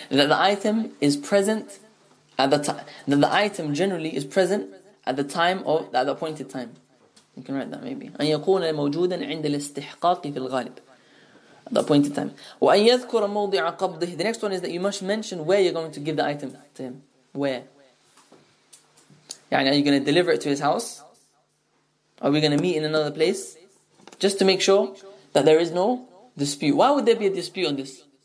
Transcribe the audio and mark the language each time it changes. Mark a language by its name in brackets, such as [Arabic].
[English] That the item is present at the time. That the item generally is present at the time of at the appointed time. You can write that maybe. [Arabic] أن يكون موجودا عند الاستحقاق في الغالب. [English] At the appointed time. [Arabic] وأن يذكر موضع قبضه. [English] The next one is that you must mention where you're going to give the item to him. Where? يعني, are you going to deliver it to his house? Are we going to meet in another place? Just to make sure that there is no dispute. Why would there be a dispute on this?